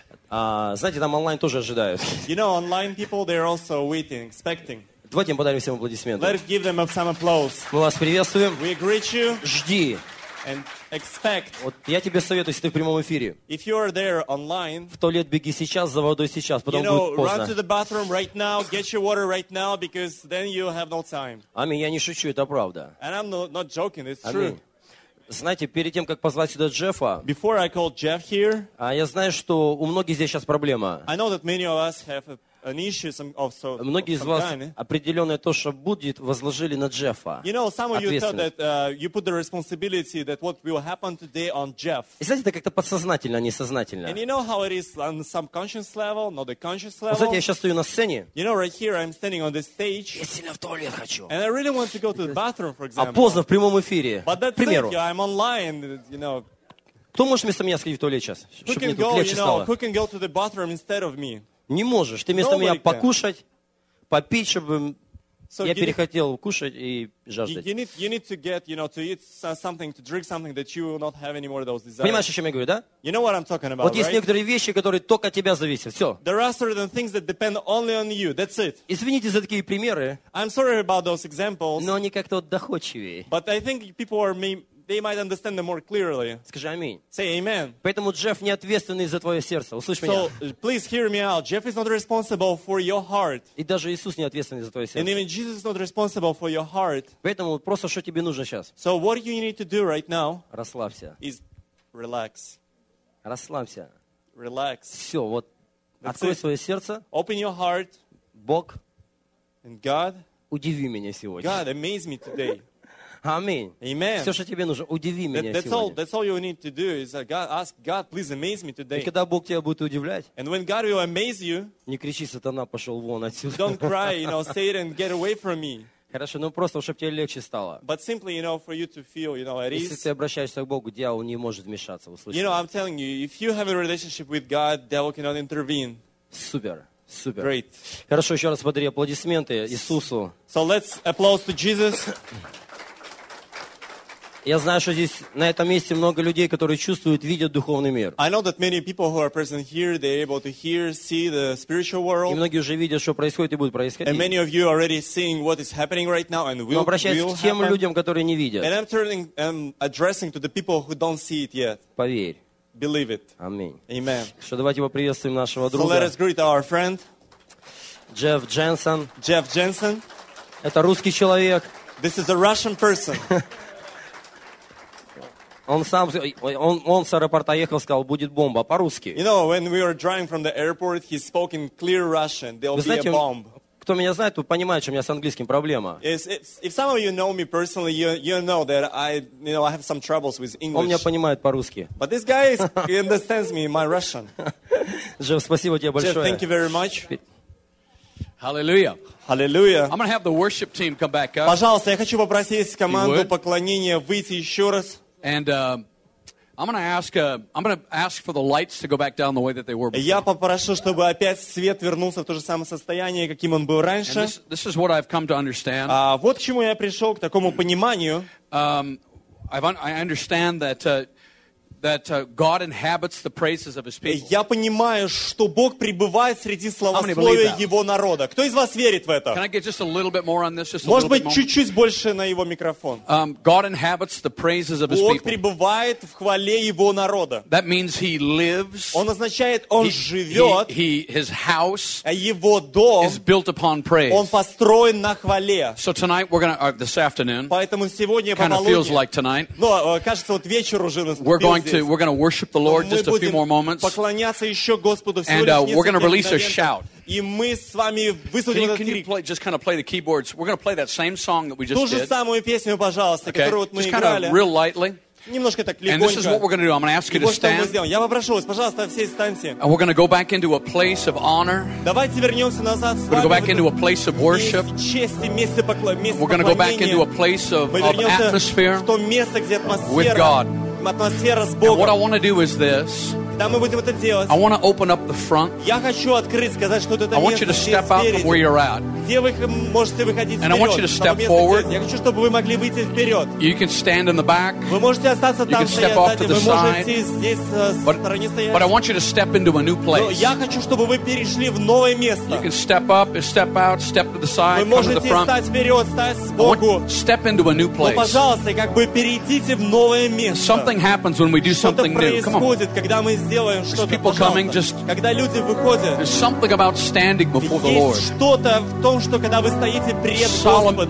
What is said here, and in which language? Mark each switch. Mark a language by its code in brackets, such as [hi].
[ru] Знаете, там онлайн тоже ожидают. [en] You know, online people, they're also waiting, expecting. [ru] Давайте им подарим всем аплодисменты. [en] Let's give them some applause. [ru] Мы вас приветствуем. [en] We greet you. [ru] Жди. [en] And expect. [ru] Вот я тебе советую, если ты в прямом эфире. [en] If you are there online, [ru] в туалет беги сейчас, за водой сейчас, потом [en] you know, [ru] будет поздно. [en] Run to the bathroom right now, get your water right now, because then you have no time. [ru] Аминь, я не шучу, это правда. [en] And I'm not joking, it's [ru] Аминь. [en] True. [ru] Знаете, перед тем, как позвать сюда Джеффа, [en] Before I called Jeff here, [ru] я знаю, что у многих здесь сейчас проблема. [en] I know that many of us have an issue some of so [ru] Многие из вас определенное то, что будет, возложили на Джеффа. [en] You know, some of you thought that you put the responsibility that what will happen today on Jeff. [ru] И знаете, это как-то подсознательно, а не сознательно. [en] And you know how it is on some conscious level, not the conscious level. [ru] Вот, знаете, я сейчас стою на сцене. [en] You know, right here I'm standing on the stage. [ru] Я сильно в туалет хочу. [en] And I really want to go to the bathroom, for example. [ru] А поздно в прямом эфире. [en] But that's [ru] к примеру. [en] It, yeah, I'm online, you know. [ru] Кто может вместо меня сходить в туалет сейчас, [en] who [ru] чтобы мне [en] go, [ru] тут легче [en] you know, [ru] стало? [en] Who can go to the bathroom instead of me? [ru] Не можешь. Ты вместо [en] Nobody [ru] меня [en] can. [ru] Покушать, попить, чтобы [en] so [ru] я перехотел [en] need, [ru] кушать и жаждать. [en] You need to get, you know, to eat something, to drink something that you will not have anymore those desires. [ru] Понимаешь, о чем я говорю, да? [en] You know what I'm talking about, [ru] вот есть [en] right? [ru] некоторые вещи, которые только от тебя зависят. Все. [en] There are certain things that depend only on you. That's it. [ru] Извините за такие примеры. [en] I'm sorry about those examples. [ru] Но они как-то вот доходчивее. [en] But I think people are may, they might understand them more clearly. [ru] Скажи аминь. [en] Say amen. [ru] Поэтому Джефф не ответственный за твое сердце. Услышь [en] so, [ru] меня. [en] So please hear me out. Jeff is not responsible for your heart. [ru] И даже Иисус не ответственный за твое сердце. [en] And even Jesus is not responsible for your heart. [ru] Поэтому просто что тебе нужно сейчас? [en] So what you need to do right now? [ru] Расслабься. [en] Is relax. [ru] Расслабься. [en] Relax. [ru] Все, вот. [en] That's [ru] открой [en] it. [ru] Свое сердце. [en] Open your heart. [ru] Бог. [en] And God. [ru] Удиви меня сегодня. [en] God, amaze me today. [ru] Аминь. [en] Amen. [ru] Все, что тебе нужно, удиви меня [en] that's [ru] сегодня. [en] All, that's all you need to do is God, ask God, please amaze me today. [ru] И когда Бог тебя будет удивлять, [en] and when God will amaze you, [ru] не кричи, сатана пошел вон отсюда. [en] Don't cry, you know, Satan, get away from me. [ru] Хорошо, ну просто, чтобы тебе легче стало. [en] But simply, you know, for you to feel, you know, at ease. [ru] Если ты обращаешься к Богу, дьявол не может вмешаться, услышь. [en] You know, I'm telling you, if you have a relationship with God, devil cannot intervene. [ru] Супер. Супер. [en] Great. [ru] Хорошо, еще раз подари аплодисменты Иисусу. [en] So let's applaud to Jesus. [ru] Я знаю, что здесь на этом месте много людей, которые чувствуют, видят духовный мир. [en] I know that many people who are present here, they're able to hear, see the spiritual world. [ru] И многие уже видят, что происходит и будет происходить. [en] And many of you already seeing what is happening right now and will happen. [ru] Но обращаюсь к тем людям, которые не видят. [en] And I'm turning, I'm addressing to the people who don't see it yet. [ru] Поверь. [en] Believe it. [ru] Аминь. [en] Amen. [ru] Что давайте поприветствуем нашего друга. [en] So let us greet our friend. [ru] Джефф Дженсен. [en] Jeff Jensen. [ru] Это русский человек. [en] This is a Russian person. [ru] Он сам, он с аэропорта ехал, сказал, будет бомба, по-русски. [en] You know, when we were driving from the airport, he spoke in clear Russian, there will be a bomb. [ru] Кто меня знает, тот понимает, что у меня с английским проблема. [en] If some of you know me personally, you know that I, you know, I have some troubles with English. [ru] Он меня понимает по-русски. [en] But this guy is, he understands me, my Russian. [ru] Джефф, спасибо тебе большое. [en] Jeff, thank you very much. Hallelujah. Hallelujah. I'm going to have the worship team come back up. [ru] Пожалуйста, я хочу попросить команду поклонения выйти еще раз. [en] And I'm going to ask for the lights to go back down the way that they were before. [ru] Я попрошу, чтобы опять свет вернулся в то же самое состояние, каким он был раньше. [en] And this is what I've come to understand. [ru] Вот к чему я пришел, к такому пониманию. [en] I understand that God inhabits the praises of his people. [ru] Я понимаю, что Бог пребывает среди славословия его народа. Кто из вас верит в это? [en] Can I get just a little bit more on this? [ru] Может быть, чуть-чуть больше на его микрофон. [en] God inhabits the praises of his people. [ru] Бог пребывает в хвале его народа. [en] That means he lives. [ru] Он означает, он живет. [en] His house. [ru] Его дом. [en] Is built upon praise. [ru] Он построен на хвале. [en] So tonight we're gonna this afternoon. [ru] Поэтому сегодня [en] kind of feels like tonight. [ru] Но кажется, вот вечер уже наступил. [en] We're going to worship the Lord just a few more moments. And we're going to release a shout. Can you play, just kind of play the keyboards? We're going to play that same song that we just did. [ru] Самую песню, пожалуйста, [en] okay. [ru] Которую вот мы [en] just [ru] играли. [en] Kind of real lightly. [ru] Немножко так, легонько. [en] And this is what we're going to do. I'm going to ask you to stand. [ru] Я попрошу вас, пожалуйста, все встаньте. [en] And we're going to go back into a place of honor. [ru] Давайте вернемся назад. [en] We're going to go back into a place of worship. [ru] Чести, место поклонения. [en] We're going to go back into a place of atmosphere [ru] место, где атмосфера. [en] With God. [ru] Атмосфера с Богом. [en] And what I want to do is this. [ru] когда мы будем это делать, [en] I want to open up the front. [ru] Я хочу открыть, сказать, что это место, [en] I want you to step out from where you're at. [ru] Где вы можете выходить вперед? [en] And I want you to step forward. [ru] Я хочу, чтобы вы могли выйти вперед. [en] You can stand in the back. [ru] Вы можете остаться там, стоять сзади. Вы можете здесь в стороне стоять. [en] But I want you to step into a new place. [ru] Но я хочу, чтобы вы перешли в новое место. [en] You can step up, step out, step to the side, [ru] вы можете встать вперед, встать сбоку. [en] Step into a new place. [ru] Но, пожалуйста, как бы перейдите в новое место. [en] Something happens when we do something new. [ru] Что-то происходит, когда мы сделаем что-то. [en] There's people coming, just... [ru] Когда люди выходят. [en] There's something about standing before the Lord. [ru] Есть что-то в том, что когда вы стоите пред Господом.